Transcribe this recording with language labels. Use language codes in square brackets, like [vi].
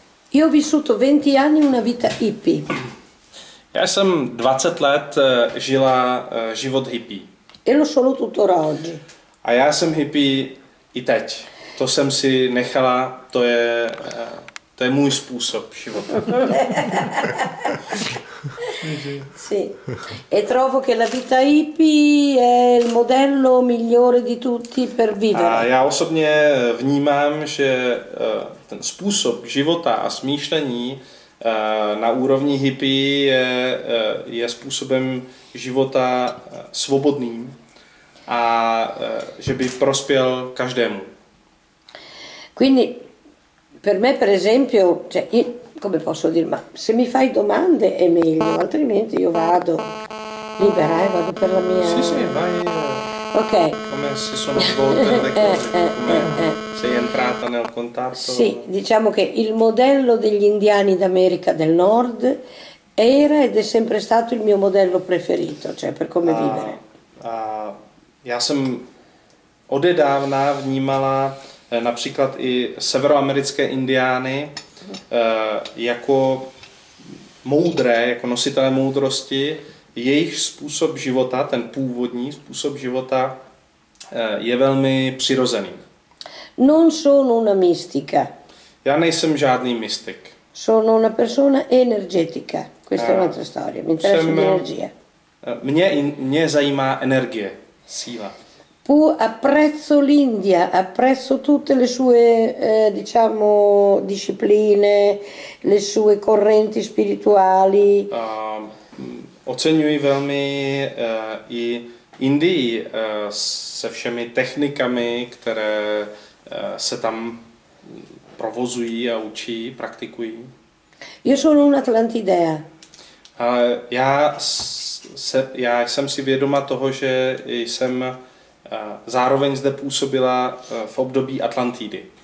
[it] Io ho vissuto 20 anni una vita hippie. [cs] Já jsem 20 let žila život hippie. [it] E lo sono tuttora oggi. [cs] A já jsem hippie i teď. To jsem si nechala, to je můj způsob života. [it] Sì. E trovo che la vita hippie è il modello migliore di tutti per vivere. [cs] A já osobně vnímám, že ten způsob života a smýšlení na úrovni hippie je způsobem života svobodným a že by prospěl každému. [it] Quindi per me per esempio, cioè come posso dire, ma se mi fai domande è meglio, altrimenti io vado libera e vado per la mia. Sì, sì, vai. Ok. Come se sono svolte le cose, sei entrata nel contatto. Sì, diciamo che il modello degli indiani d'America del Nord era ed è sempre stato il mio modello preferito, cioè per come vivere. [cs] Já jsem odedávna vnímala například i severoamerické indiány jako moudré, jako nositelé moudrosti, jejich způsob života, ten původní způsob života, je velmi přirozený. [it] Non sono una mistica. [cs] Já nejsem žádný mystik. [it] Sono una persona energetica. Questa è un'altra storia. Mi interessa l'energia. [cs] Mě zajímá energie, síla. [it] Pu apprezzo l'India, apprezzo tutte le sue diciamo discipline, le sue correnti spirituali. [cs] Oceňuji velmi i Indii se všemi technikami, které se tam provozují a učí, praktikují. [it] Io sono un atlantidea. [cs] Já jsem si vědoma toho, že jsem zároveň zde působila v období Atlantidy.